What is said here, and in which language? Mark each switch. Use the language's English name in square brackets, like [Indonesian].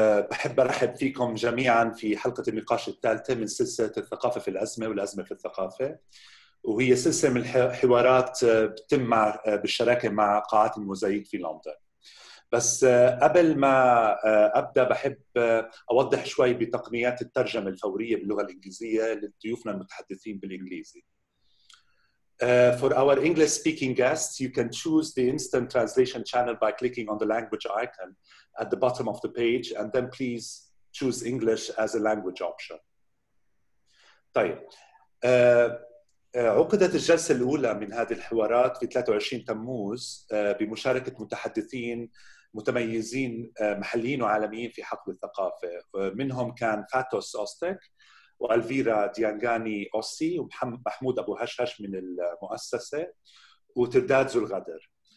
[Arabic] بحب أرحب فيكم جميعا في حلقة النقاش الثالثة من سلسلة الثقافة في الأزمة والأزمة في الثقافة، وهي سلسلة من الحوارات بتتم بالشراكة مع قاعات الموزاييك في لندن. بس قبل ما أبدأ بحب أوضح شوي بتقنيات الترجمة الفورية باللغة الإنجليزية لضيوفنا المتحدثين بالإنجليزي. [English] For our English speaking guests, you can choose the instant translation channel by clicking on the language icon at the bottom of the page, and then please choose English as a language option. [Arabic] طيب، عقدت الجلسة الأولى من هذه الحوارات في 23 تموز بمشاركة متحدثين متميزين محليين وعالميين في حقل الثقافة. منهم كان فاتوس أوستك والفيرا ديانجاني اوسي ومحمود ابو هشهش من المؤسسه وترداد ذو الغدر.